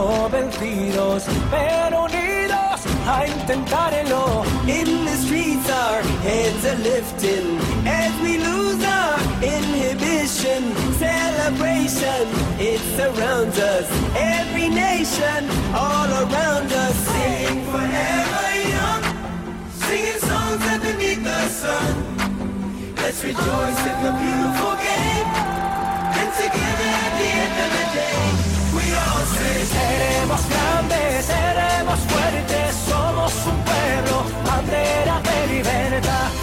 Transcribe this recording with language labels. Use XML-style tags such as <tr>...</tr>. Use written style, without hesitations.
<es>Vencidos, pero unidos a intentarlo.</es> <en>In the streets our heads are lifting, as we lose our inhibition. Celebration, it surrounds us, every nation all around us. Sing forever young, singing songs underneath the sun. Let's rejoice in the beautiful game, and together at the end of the day.</en> <es>Seremos grandes, seremos fuertes, somos un pueblo, bandera de libertad.</es>